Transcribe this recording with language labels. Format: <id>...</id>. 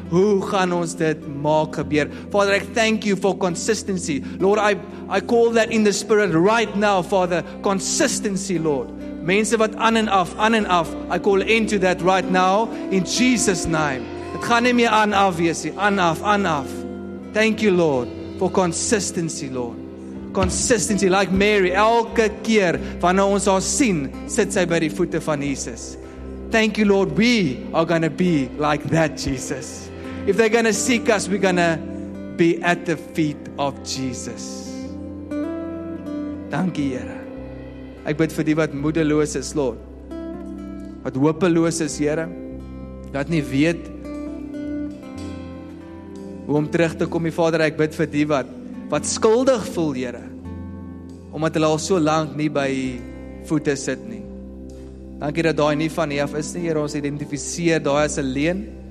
<af>Hoe gaan ons dit maak gebeur?</af> <en>Father, I thank You for consistency. Lord, I call that in the spirit right now, Father. Consistency, Lord.</en> <af>Mense wat aan en af, aan en af.</af> <en>I call into that right now in Jesus' name.</en> <af>Het gaan nie meer aan af wees nie. Aan af, aan af.</af> <en>Thank You, Lord, for consistency, Lord. Consistency, like</en> <af>Mary, elke keer wanneer ons haar sien, sit sy by die voete van Jesus.</af> <en>Thank You, Lord, we are going to be like that, Jesus. If they're going to seek us, we're going to be at the feet of Jesus.</en> <af>Dankie, Here. Ek bid vir die wat moedeloos is, Lord. Wat hopeloos is, Here. Wat nie weet hoe om terug te kom, die Vader, ek bid vir die wat skuldig voel, Here. omdat hulle al so lank nie by voete sit nie. Dankie dat daai nie van Jehovah is nie, Here, ons identifiseer daai as 'n leen.</af>